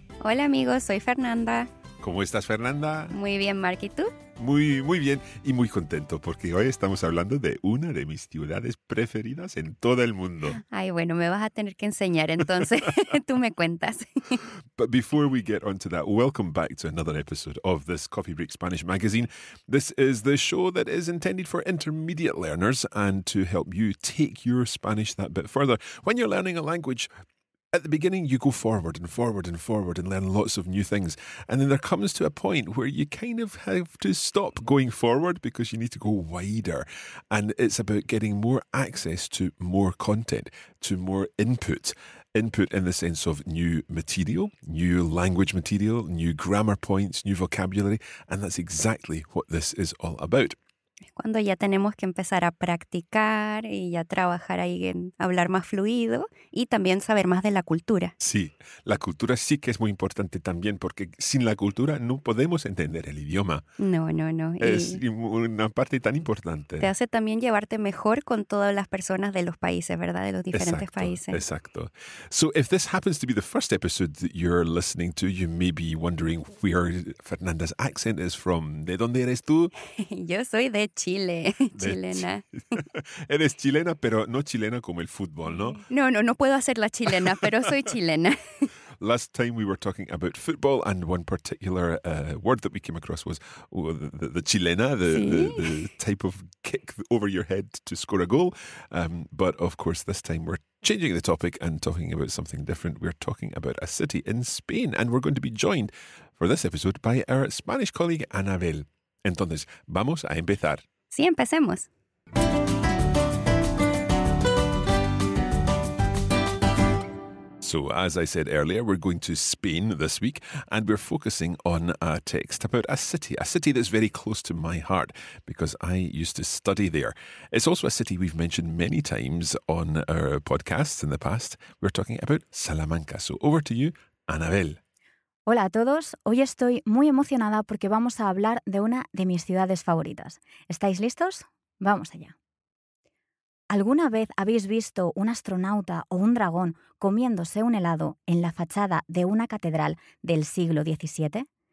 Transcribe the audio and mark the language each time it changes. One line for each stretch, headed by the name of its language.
Spanish: Hola amigos, soy Fernanda. ¿Cómo estás, Fernanda? Muy bien, Mark, ¿y tú? Muy, muy bien y muy contento porque hoy estamos hablando de una de mis ciudades preferidas en todo el mundo. Ay, bueno, me vas a tener que enseñar entonces. Tú me cuentas.
English: But before we get onto that, welcome back to another episode of this Coffee Break Spanish Magazine. This is the show that is intended for intermediate learners and to help you take your Spanish that bit further. When you're learning a language, at the beginning, you go forward and forward and forward and learn lots of new things. And then there comes to a point where you kind of have to stop going forward because you need to go wider. And it's about getting more access to more content, to more input. Input in the sense of new material, new language material, new grammar points, new vocabulary. And that's exactly what this is all about.
Spanish: Cuando ya tenemos que empezar a practicar y ya trabajar ahí en hablar más fluido y también saber más de la cultura. Sí, la cultura sí que es muy importante también porque sin la cultura no podemos entender el idioma. No. Es y una parte tan importante. Te hace también llevarte mejor con todas las personas de los países, ¿verdad? De los diferentes países. Exacto.
English: So if this happens to be the first episode that you're listening to, you may be wondering where Fernanda's accent is from.
Spanish: ¿De dónde eres tú? Yo soy de Chile, chilena. Eres chilena, pero no chilena como el fútbol, ¿no? No puedo hacer la chilena, pero soy chilena.
English: Last time we were talking about football and one particular word that we came across was the chilena, the type of kick over your head to score a goal. But of course, this time we're changing the topic and talking about something different. We're talking about a city in Spain and we're going to be joined for this episode by our Spanish colleague, Anabel.
Spanish: Entonces, vamos a empezar. Sí, empecemos.
English: So, as I said earlier, we're going to Spain this week and we're focusing on a text about a city that's very close to my heart because I used to study there. It's also a city we've mentioned many times on our podcasts in the past. We're talking about Salamanca. So, over to you, Anabel.
Spanish: Hola a todos, hoy estoy muy emocionada porque vamos a hablar de una de mis ciudades favoritas. ¿Estáis listos? ¡Vamos allá! ¿Alguna vez habéis visto un astronauta o un dragón comiéndose un helado en la fachada de una catedral del siglo XVII?